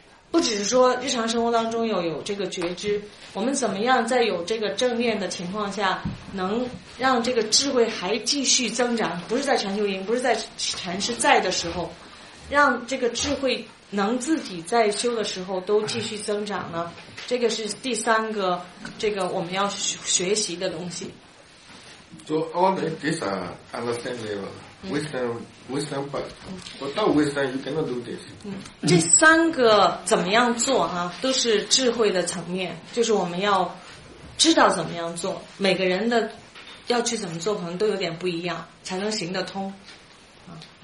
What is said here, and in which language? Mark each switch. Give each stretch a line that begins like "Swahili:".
Chinese: 不只是说日常生活当中有这个觉知，我们怎么样在有这个正念的情况下能让这个智慧还继续增长，不是在禅修营，不是在禅师在的时候，让这个智慧能自己在修的时候都继续增长呢？这个是第三个，这个我们要学习的东西。
English: So all these are understand level, wisdom, but without wisdom you cannot do this.
Chinese: 这三个怎么样做哈、啊？都是智慧的层面，就是我们要知道怎么样做。每个人的要去怎么做，可能都有点不一样，才能行得通。啊，